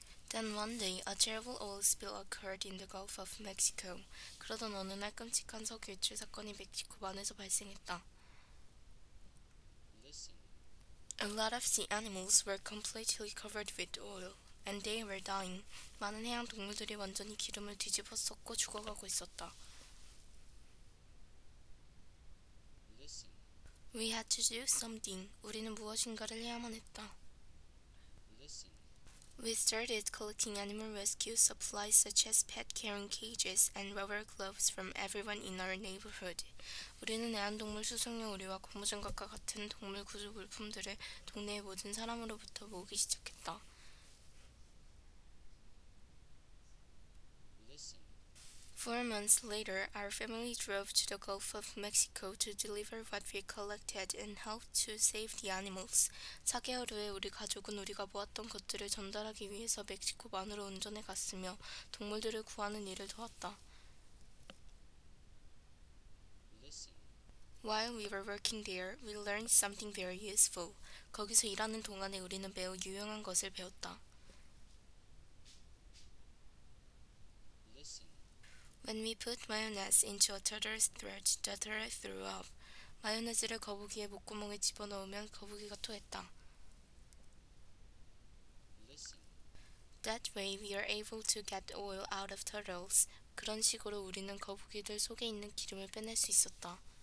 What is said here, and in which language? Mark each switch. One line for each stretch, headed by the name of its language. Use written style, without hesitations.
English: Then one day, a terrible oil spill occurred in the Gulf of Mexico.
Korean: 그러던 어느 날 끔찍한 석유 유출 사건이 멕시코 반에서 발생했다.
English: A lot of sea animals were completely covered with oil, and they were dying.
Korean: 많은 해양 동물들이 완전히 기름을 뒤집어 썼고 죽어가고 있었다.
English: We had to do something.
Korean: 우리는 무엇인가를 해야만 했다.
English: We started collecting animal rescue supplies such as pet carrying cages and rubber gloves from everyone in our neighborhood.
Korean: 우리는 애완동물 수송용 의류와 고무장갑과 같은 동물 구조 물품들을 동네의 모든 사람으로부터 모으기 시작했다.
English: Four months later, our family drove to the Gulf of Mexico to deliver what we collected and help to save the animals.
Korean: 4개월 후에 우리 가족은 우리가 모았던 것들을 전달하기 위해서 멕시코 반으로 운전해 갔으며 동물들을 구하는 일을 도왔다.
English: While we were working there, we learned something very useful.
Korean: 거기서 일하는 동안에 우리는 매우 유용한 것을 배웠다.
English: When we put mayonnaise into a turtle's throat, the turtle threw up.
Korean: 마요네즈를 거북이의 목구멍에 집어넣으면 거북이가 토했다.
English: That way we are able to get oil out of turtles.
Korean: 그런 식으로 우리는 거북이들 속에 있는 기름을 빼낼 수 있었다.